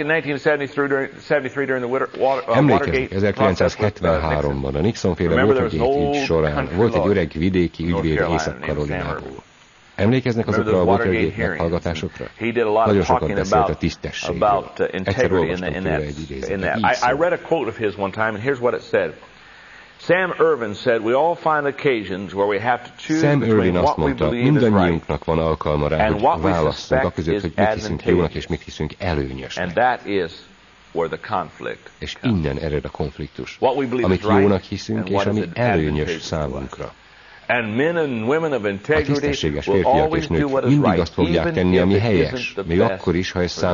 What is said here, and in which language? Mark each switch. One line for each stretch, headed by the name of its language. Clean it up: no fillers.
Hungarian: Emlékezik 1973-ban a Nixon-féle Watergate ügy során volt egy öreg vidéki ügyvéd Észak-Karolinából. Emlékeznek azokra a Watergate meghallgatásokra? Nagyon sokat beszélt a tisztességről. Egyszer olvastam tőle egy idézetet. Így szólt.
English: Sam Irvin said, "We all find occasions where we have to choose between what we believe is right and what we suspect is advantageous, and that is where the conflict comes."
Hungarian: És innen ered a konfliktus, amit jónak hiszünk és ami előnyös számunkra.
English: And men and women of integrity will always do what is right, even if it isn't the best for themselves.